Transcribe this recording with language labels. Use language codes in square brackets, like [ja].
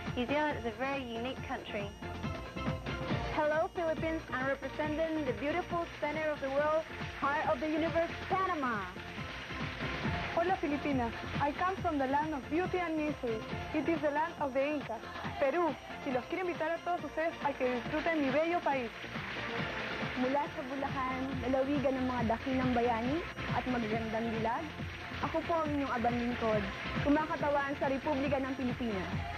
[en] New Zealand is a very unique country. Hello Philippines, I'm representing the beautiful center of the world, heart of the universe, Panama. [es] Hola Filipinas, [en] I come from the land of beauty and misery. It is the land of the Incas, Peru. [es] Y los quiero invitar a todos ustedes a que disfruten mi bello país. [tl] Mula sa Bulacan, lalawigan ng mga dakilang bayani at magagandang bilag. Ako po ang inyong abanlingkod, kumakatawan sa Republika ng Pilipinas.